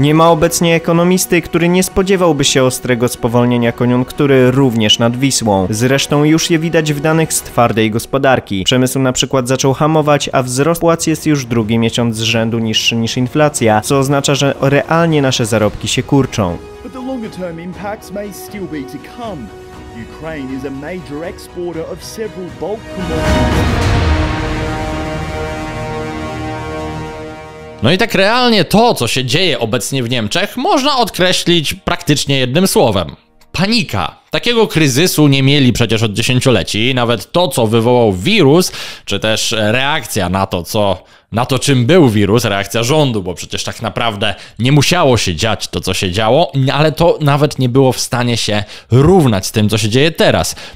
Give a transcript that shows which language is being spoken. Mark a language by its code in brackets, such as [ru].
[pl] Nie ma obecnie ekonomisty, który nie spodziewałby się ostrego spowolnienia koniunktury również nad Wisłą. Zresztą już je widać w danych z twardej gospodarki. Przemysł na przykład zaczął hamować, a wzrost płac jest już drugi miesiąc z rzędu niższy niż inflacja, co oznacza, że realnie nasze zarobki się kurczą. [en] But the longer term impacts may still be to come. Ukraine is a major exporter of several bulk commodities. [pl] No i tak realnie to, co się dzieje obecnie w Niemczech, można odkreślić praktycznie jednym słowem. Panika. Takiego kryzysu nie mieli przecież od dziesięcioleci. Nawet to, co wywołał wirus, czy też reakcja na to, co, na to, czym był wirus, reakcja rządu, bo przecież tak naprawdę nie musiało się dziać to, co się działo, ale to nawet nie było w stanie się równać z tym, co się dzieje teraz.